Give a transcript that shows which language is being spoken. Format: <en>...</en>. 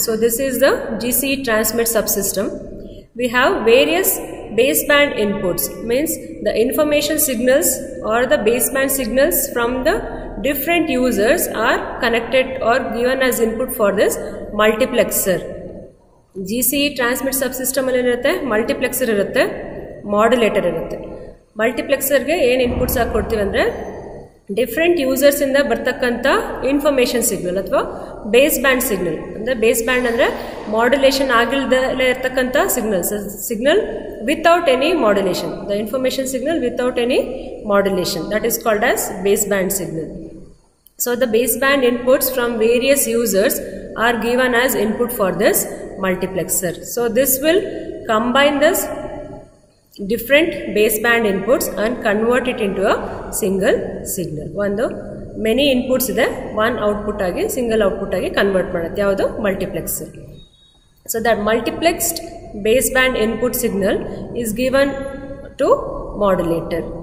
<en>So this is the GCE transmit subsystem. We have various baseband inputs, means the information signals or the baseband signals from the different users are connected or given as input for this multiplexer.</en> <kn>GCE transmit subsystem ಅಲ್ಲಿ ಏನಿರುತ್ತೆ, multiplexer ಇರುತ್ತೆ, modulator ಇರುತ್ತೆ. ಮಲ್ಟಿಪ್ಲೆಕ್ಸರ್ಗೆ ಏನು inputs ಹಾಕಿ ಕೊಡ್ತೀವಿ ಅಂದರೆ different ಯೂಸರ್ಸಿಂದ ಬರ್ತಕ್ಕಂಥ information signal ಅಥವಾ base band signal. ಅಂದರೆ ಬೇಸ್ ಬ್ಯಾಂಡ್ ಅಂದರೆ ಮಾಡ್ಯುಲೇಷನ್ ಆಗಿಲ್ದಲ್ಲೇ ಇರ್ತಕ್ಕಂಥ signals,</kn> <en>Signal without any modulation, the information signal without any modulation, that is called as base band signal. So the base band inputs from various users are given as input for this multiplexer. So this will combine this different baseband inputs and convert it into a single signal.</en> <kn>One many inputs ಇದೆ, one output ಆಗಿ single output ಆಗಿ convert ಮಾಡುತ್ತೆ, ಯಾವುದು multiplexer.</kn> <en>So that multiplexed baseband input signal is given to modulator.</en>